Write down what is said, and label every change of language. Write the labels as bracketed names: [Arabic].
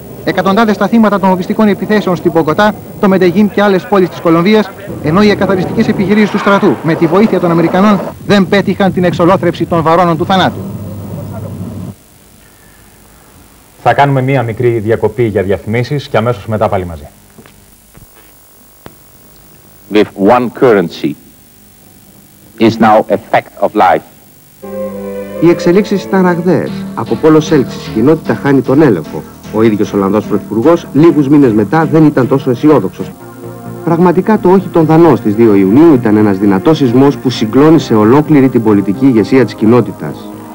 [Greek] Εκατοντάδες τα θύματα των λογιστικών επιθέσεων στην Μπογκοτά, το Μεντεγίν και άλλες πόλεις της Κολομβίας, ενώ οι εκαθαριστικές επιχειρήσεις του στρατού με τη βοήθεια των Αμερικανών δεν πέτυχαν την εξολόθρεψη των βαρώνων του θανάτου. Θα κάνουμε μία μικρή διακοπή για διαφημίσεις και αμέσως μετά πάλι μαζί. [English] With one currency is now a fact of life. [Greek] Οι εξελίξεις ήταν ραγδαίες. Από πόλος έλξης, κοινότητα χάνει τον έλεγχο. Ο ίδιος ο Ολλανδός Πρωθυπουργός λίγους μήνες μετά δεν ήταν τόσο αισιόδοξος. Πραγματικά το όχι των Δανών στις 2 Ιουνίου ήταν ένας δυνατός σεισμός που συγκλώνησε ολόκληρη την πολιτική ηγεσία της κοινότητας.